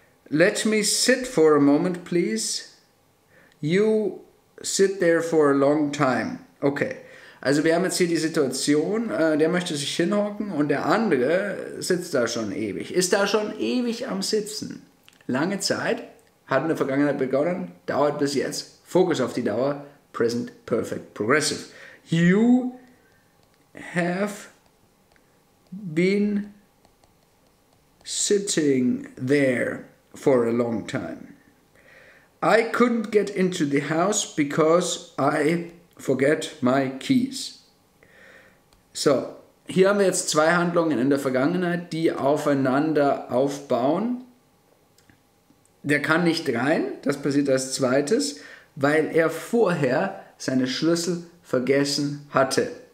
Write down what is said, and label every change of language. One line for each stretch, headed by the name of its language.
English: Let me sit for a moment, please. You sit there for a long time. Okay.
German: Also wir haben jetzt hier die Situation, der möchte sich hinhocken und der andere sitzt da schon ewig. Ist da schon ewig am Sitzen. Lange Zeit, hat in der Vergangenheit begonnen, dauert bis jetzt. Fokus auf die Dauer, Present Perfect Progressive.
English: You have been sitting there for a long time. I couldn't get into the house because I forget my keys.
German: So, hier haben wir jetzt zwei Handlungen in der Vergangenheit, die aufeinander aufbauen. Der kann nicht rein, das passiert als zweites, weil er vorher seine Schlüssel vergessen hatte.